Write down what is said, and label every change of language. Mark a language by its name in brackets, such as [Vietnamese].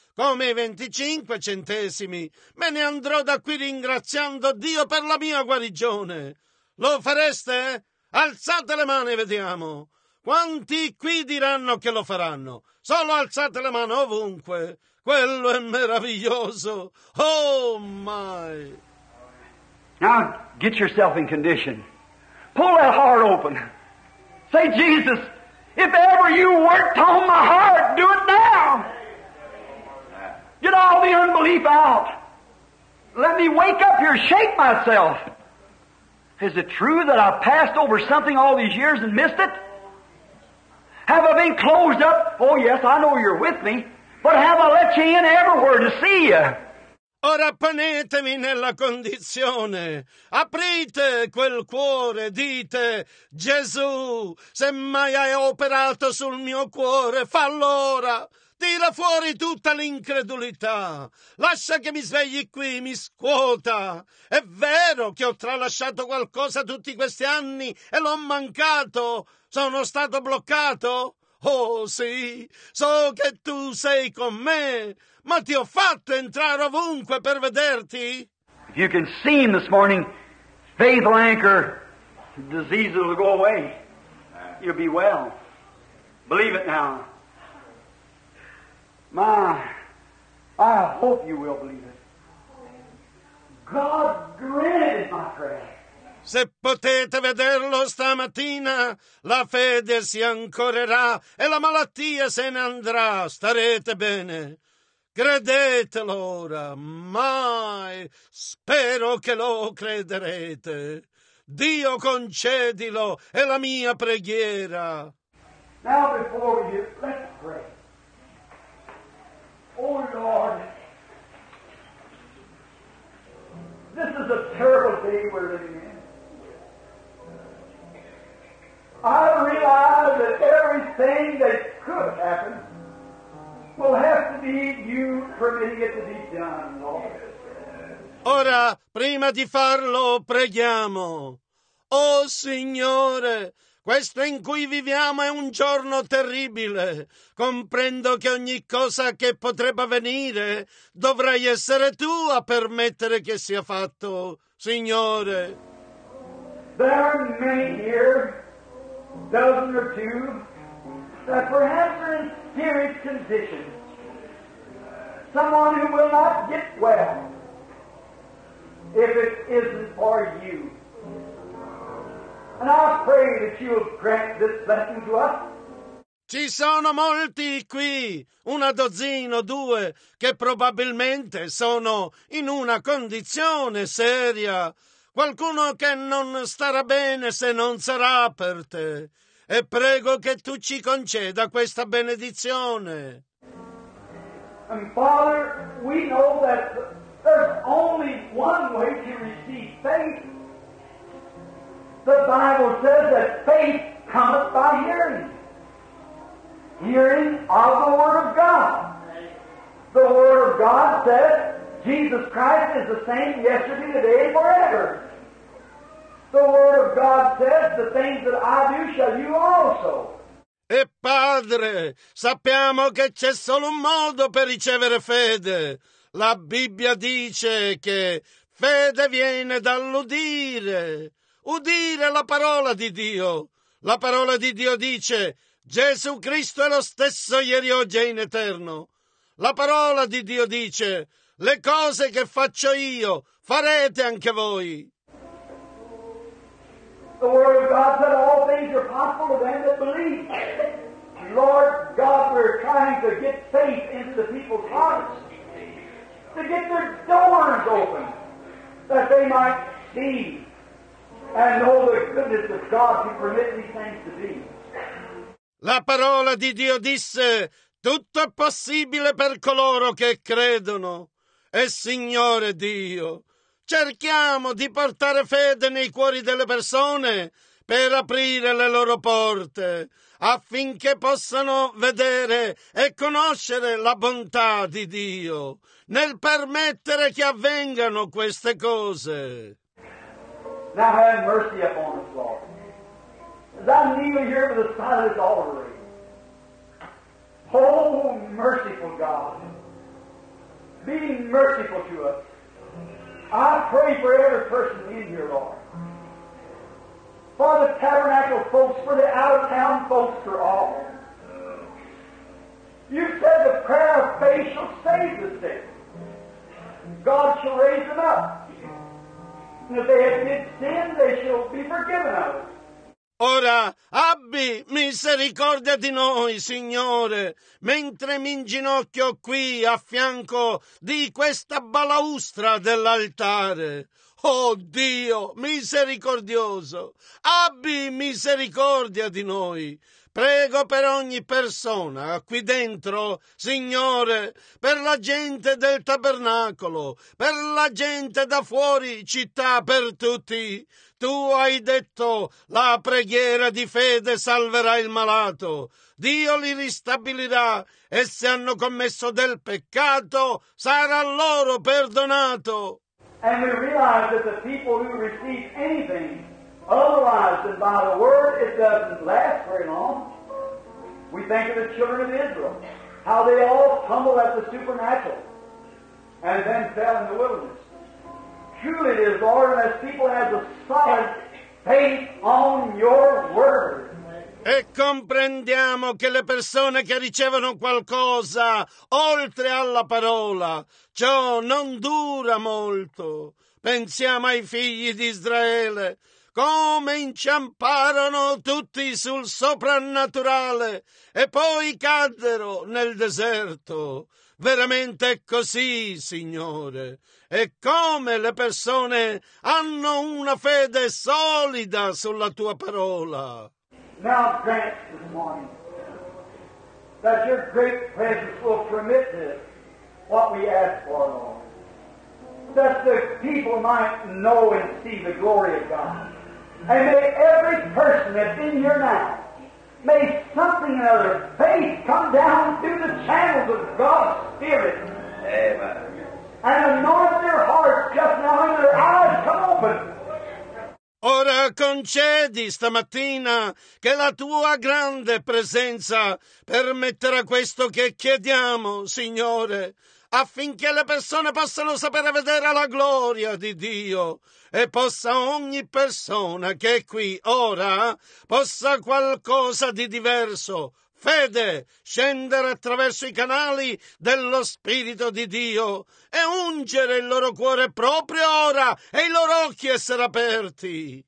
[Italian] Come i 25 centesimi, me ne andrò da qui ringraziando Dio per la mia guarigione. Lo fareste? Alzate le mani, vediamo. Quanti qui diranno che lo faranno? Solo alzate le mani ovunque. Quello è meraviglioso. [English] Oh, my. Now, get yourself in condition. Pull that heart open. Say, Jesus, if ever you worked on my heart, do it now. Get all the unbelief out. Let me wake up here, shake myself. Is it true that I passed over something all these years and missed it? Have I been closed up? Oh yes, I know you're with me. But have I let you in everywhere to see you? [Italian] Ora ponetemi nella condizione. Aprite quel cuore, dite, Gesù, se mai hai operato sul mio cuore, fallo ora. Tira fuori tutta l'incredulità. Lascia che mi svegli qui, mi scuota. È vero che ho tralasciato qualcosa tutti questi anni e l'ho mancato. Sono stato bloccato? Oh sì, so che tu sei con me, ma ti ho fatto entrare ovunque per vederti. [English] If you can see him this morning, faith will anchor, diseases will go away. You'll be well. Believe it now. My, I hope you will believe it. God granted my prayer. [Italian] Se potete vederlo stamattina, la fede si ancorerà e la malattia se ne andrà. Starete bene. Credetelo ora. Mai. Spero che lo crederete. Dio concedilo, è la mia preghiera. [English] Now before you, let's pray. Oh Lord, this is a terrible day we're living in. I realize that everything that could happen will have to be you permitting it to be done, Lord. [Italian] Ora, prima di farlo, preghiamo. Oh Signore, questo in cui viviamo è un giorno terribile. Comprendo che ogni cosa che potrebbe avvenire dovrai essere tu a permettere che sia fatto, Signore. [English] There are many here, dozen or two, that perhaps are in spirit condition. Someone who will not get well if it isn't for you. And I pray that you'll grant this blessing to us. [Italian] Ci sono molti qui, una dozzina o due, che probabilmente sono in una condizione seria. Qualcuno che non starà bene se non sarà per te. E prego che tu ci conceda questa benedizione. [English] And Father, we know that there's only one way to receive faith. The Bible says that faith cometh by hearing. Hearing of the Word of God. The Word of God says Jesus Christ is the same yesterday, today, and forever. The Word of God says the things that I do shall you also. [Italian] E Padre, sappiamo che c'è solo un modo per ricevere fede. La Bibbia dice che fede viene dall'udire. Udire la parola di Dio. La parola di Dio dice, Gesù Cristo è lo stesso ieri, oggi e in eterno. La parola di Dio dice: le cose che faccio io, farete anche voi. [English] The Word of God said all things are possible to them that believe. Lord God, we're trying to get faith into the people's hearts, to get their doors open, that they might see and know the goodness of God who permits these things to be. [Italian] La parola di Dio disse: tutto è possibile per coloro che credono. E Signore Dio, cerchiamo di portare fede nei cuori delle persone per aprire le loro porte, affinché possano vedere e conoscere la bontà di Dio nel permettere che avvengano queste cose. [English] Now have mercy upon us, Lord. As I kneel here with a silent altar. Oh, merciful God, be merciful to us. I pray for every person in here, Lord. For the tabernacle folks, for the out-of-town folks, for all. You said the prayer of faith shall save the sick. God shall raise them up. And if they have did sin, they shall be forgiven of it. [Italian] Ora abbi misericordia di noi, Signore, mentre mi inginocchio qui a fianco di questa balaustra dell'altare. Oh Dio misericordioso, abbi misericordia di noi. Prego per ogni persona qui dentro, Signore, per la gente del tabernacolo, per la gente da fuori città, per tutti. Tu hai detto: la preghiera di fede salverà il malato. Dio li ristabilirà e se hanno commesso del peccato sarà loro perdonato. [English] And we realize that the people who receive anything otherwise than by the word, it doesn't last very long. We think of the children of Israel, how they all tumbled at the supernatural and then fell in the wilderness. Truly it is, Lord, as people have a solid faith on your word. [Italian] E comprendiamo che le persone che ricevono qualcosa oltre alla parola, ciò non dura molto. Pensiamo ai figli di Israele, come inciamparono tutti sul soprannaturale e poi caddero nel deserto. Veramente è così, Signore. E come le persone hanno una fede solida sulla Tua parola. [English] Now grant this morning that your great presence will permit this, what we ask for, Lord, that the people might know and see the glory of God. And may every person that's in here now, may something or other, faith come down through the channels of God's Spirit. Amen. And anoint their hearts just now and their eyes come open. [Italian] Ora concedi stamattina che la Tua grande presenza permetterà questo che chiediamo, Signore, affinché le persone possano sapere vedere la gloria di Dio e possa ogni persona che è qui ora possa qualcosa di diverso, fede, scendere attraverso i canali dello Spirito di Dio e ungere il loro cuore proprio ora e i loro occhi essere aperti.